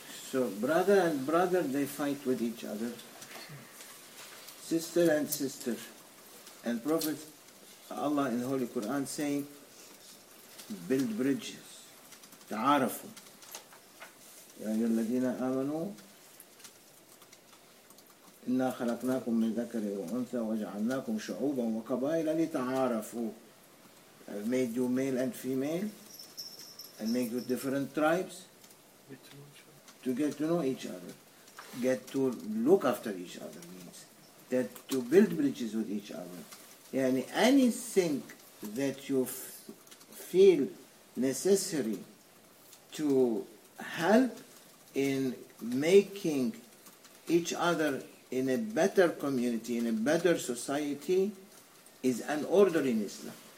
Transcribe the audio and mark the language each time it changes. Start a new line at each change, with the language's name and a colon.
English: So brother and brother, they fight with each other. Sister and sister. And Prophet Allah in Holy Quran saying, build bridges.
Arabic: تعارفوا. يا أيها الذين آمنوا إنا خلقناكم من ذكر وأنثى وجعلناكم شعوبا وقبائل لتعارفوا.
English: I've made you male and female and make you different tribes. To get to know each other, get to look after each other means that to build bridges with each other. And anything that you feel necessary to help in making each other in a better community, in a better society, is an order in Islam.